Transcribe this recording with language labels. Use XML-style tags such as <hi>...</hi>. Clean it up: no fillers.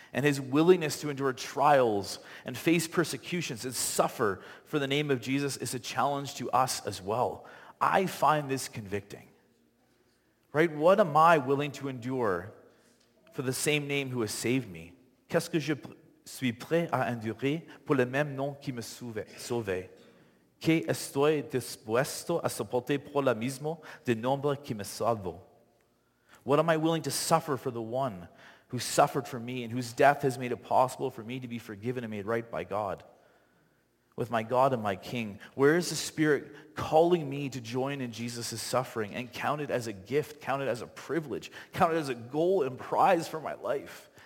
<en>And his willingness to endure trials and face persecutions and suffer for the name of Jesus is a challenge to us as well. I find this convicting. Right? What am I willing to endure for the same name who has saved me?</en> <fr>Qu'est-ce que je suis prêt à endurer pour le même nom qui me sauve?</fr> <es>que estoy dispuesto a soportar por la misma de nombre que me salvo?</es> <en>What am I willing to suffer for the one who suffered for me and whose death has made it possible for me to be forgiven and made right by God? With my God and my King, where is the Spirit calling me to join in Jesus' suffering and count it as a gift, count it as a privilege, count it as a goal and prize for my life?</en>